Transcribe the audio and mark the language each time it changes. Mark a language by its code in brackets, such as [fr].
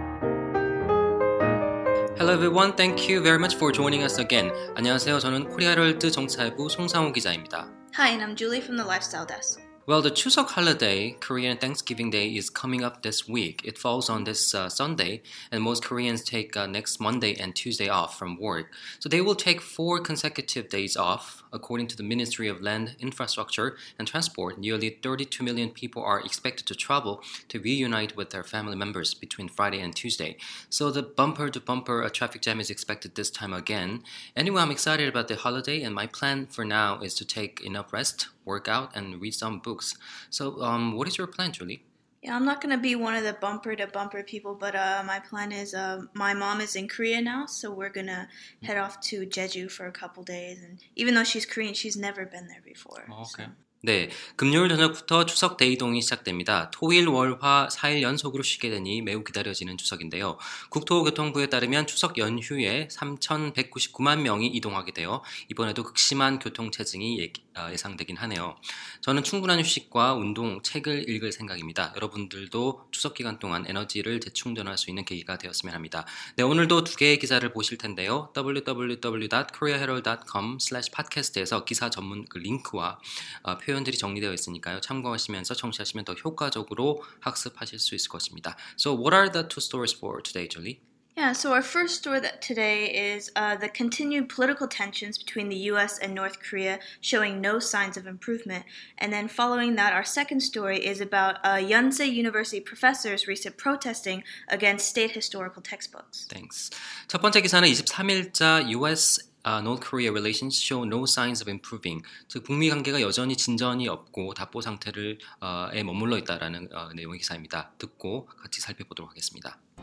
[en] Hello everyone, thank you very much for joining us again. [ko] 안녕하세요. 저는 코리아 월드 정찰부 송상호 기자입니다. [en] Hi, and I'm Julie from the Lifestyle Desk. Well, the Chuseok holiday, Korean Thanksgiving Day, is coming up this week. It falls on this Sunday, and most Koreans take next Monday and Tuesday off from work. So they will take 4 consecutive days off. According to the Ministry of Land, Infrastructure, and Transport, nearly 32 million people are expected to travel to reunite with their family members between Friday and Tuesday. So the bumper-to-bumper traffic jam is expected this time again. Anyway, I'm excited about the holiday, and my plan for now is to take enough rest, work out, and read some books. So what is your plan, Julie? Yeah, I'm not going to be one of the bumper-to-bumper people, but my plan is my mom is in Korea now, so we're going to head off to Jeju for a couple days. And even though she's Korean, she's never been there before. Okay. So. [ko] 네, 금요일 저녁부터 추석 대이동이 시작됩니다. 토일, 월, 화, 4일 연속으로 쉬게 되니 매우 기다려지는 추석인데요. 국토교통부에 따르면 추석 연휴에 3,199만 명이 이동하게 되어 이번에도 극심한 교통체증이 예상되긴 하네요. 저는 충분한 휴식과 운동, 책을 읽을 생각입니다. 여러분들도 추석 기간 동안 에너지를 재충전할 수 있는 계기가 되었으면 합니다. 네, 오늘도 두 개의 기사를 보실 텐데요. www.koreaherald.com/podcast에서 기사 전문 그 링크와 표현들이 정리되어 있으니까요. 참고하시면서 청취하시면 더 효과적으로 학습하실 수 있을 것입니다. [en] So what are the 2 stories for today, Julie? Yeah, so our first story today is the continued political tensions between the U.S. and North Korea showing no signs of improvement. And then following that, our second story is about Yonsei University professors' recent protesting against state historical textbooks. Thanks. [ko] 첫 번째 기사는 23일자 U.S. [en] North Korea relations show no signs of improving. [ko] 즉, 북미 관계가 여전히 진전이 없고 답보 상태를 머물러 있다라는 내용의 기사입니다. 듣고 같이 살펴보도록 하겠습니다.